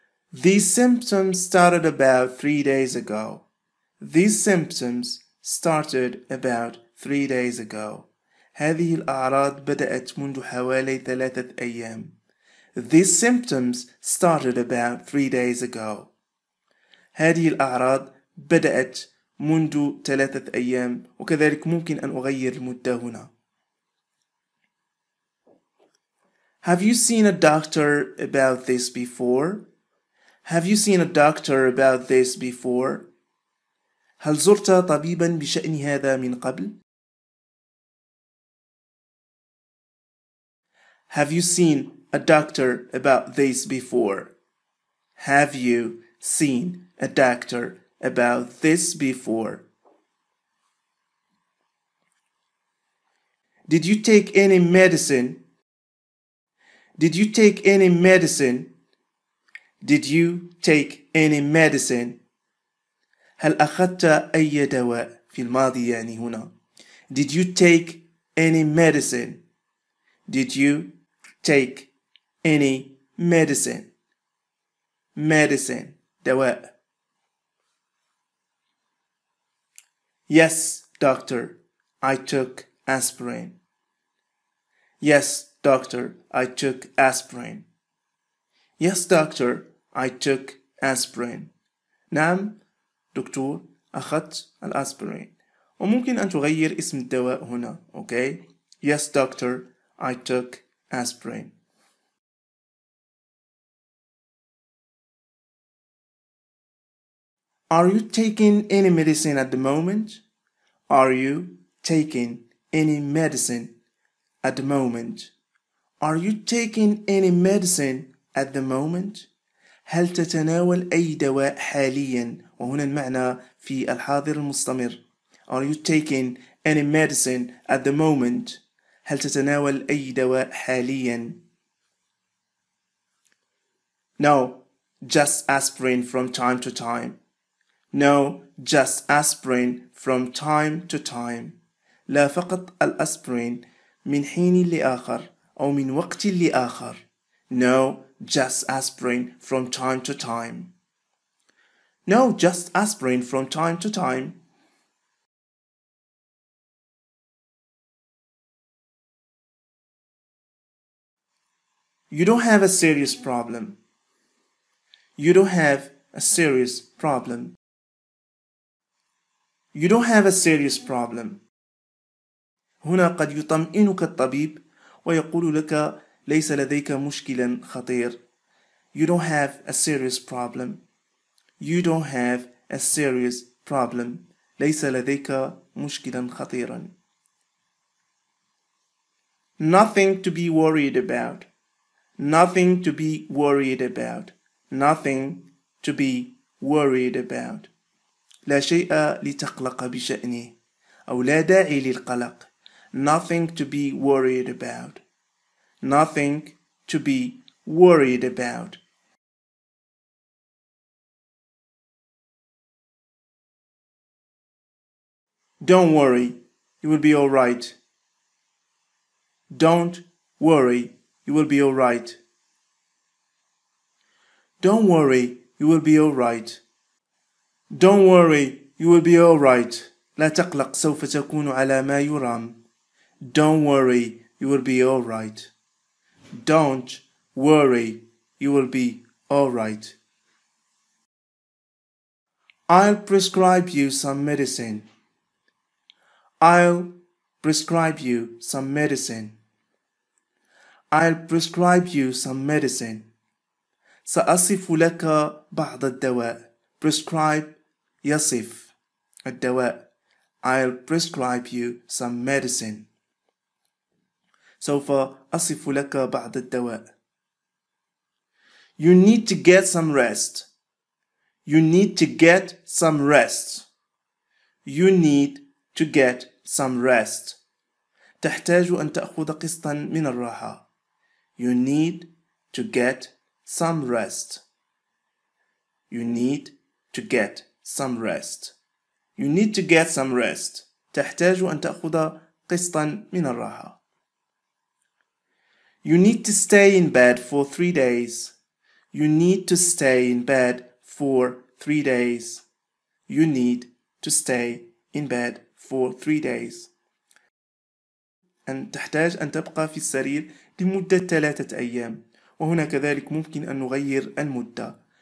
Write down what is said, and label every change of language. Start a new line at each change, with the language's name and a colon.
English: These symptoms started about 3 days ago. These symptoms started about 3 days ago.
Arabic: هذه الأعراض بدأت منذ حوالي 3 أيام.
English: These symptoms started about 3 days ago.
Arabic: هذه الأعراض بدأت منذ 3 أيام. وكذلك ممكن أن أغير المدة هنا.
English: Have you seen a doctor about this before? Have you seen a doctor about this before?
Arabic: هل زرت طبيبا بشأن هذا من قبل؟
English: Have you seen a doctor about this before? Have you seen a doctor about this before? Did you take any medicine? Did you take any medicine? Did you take any medicine?
Arabic: هل أخذت أي دواء في الماضي يعني هنا؟
English: Did you take any medicine? Did you take any medicine? Medicine دواء. Yes, doctor, I took aspirin. Yes, doctor, I took aspirin. Yes, doctor, I took aspirin.
Arabic: نعم دكتور أخذت الأسبرين. وممكن أن تغير اسم الدواء هنا.
English: Okay. Yes, doctor, I took aspirin. Are you taking any medicine at the moment? Are you taking any medicine at the moment? Are you taking any medicine at the moment?
Arabic: هل تتناول أي دواء حاليا؟ وهنا المعنى في الحاضر المستمر.
English: Are you taking any medicine at the moment?
Arabic: هل تتناول أي دواء حاليا؟
English: No, just aspirin from time to time. No, just aspirin from time to time.
Arabic: لا فقط الأسبرين من حين لآخر أو من وقت لآخر.
English: No, just aspirin from time to time. No, just aspirin from time to time. You don't have a serious problem. You don't have a serious problem. You don't have a serious problem.
Arabic: هنا قد يطمئنك الطبيب ويقول لك ليس لديك مشكلا خطير.
English: You don't have a serious problem. You don't have a serious problem.
Arabic: ليس لديك مشكلا خطيرا.
English: Nothing to be worried about. Nothing to be worried about. Nothing to be worried about.
Arabic: لا شيء لتقلق بشأنه أو لا داعي للقلق.
English: Nothing to be worried about. Nothing to be worried about. Don't worry, you will be all right. Don't worry, you will be all right. Don't worry, you will be all right. Don't worry, you will be all right.
Arabic: لا تقلق سوف تكون على ما يرام.
English: Don't worry, you will be all right. Don't worry, you will be all right. I'll prescribe you some medicine. I'll prescribe you some medicine. I'll prescribe you some medicine.
Arabic: سأصف لك بعض الدواء. Prescribe يصف الدواء.
English: I'll prescribe you some medicine.
Arabic: سوف أصف لك بعض الدواء.
English: You need to get some rest. You need to get some rest. You need to get some rest.
Arabic: تحتاج أن تأخذ قسطا من الراحة.
English: You need to get some rest. You need to get some rest. You need to get some rest.
Arabic: تحتاج أن تأخذ قسطا من الراحة.
English: You need to stay in bed for 3 days. You need to stay in bed for 3 days. You need to stay in bed for 3 days.
Arabic: أن تحتاج أن تبقى في السرير لمدة 3 أيام. وهنا كذلك ممكن أن نغير المدة.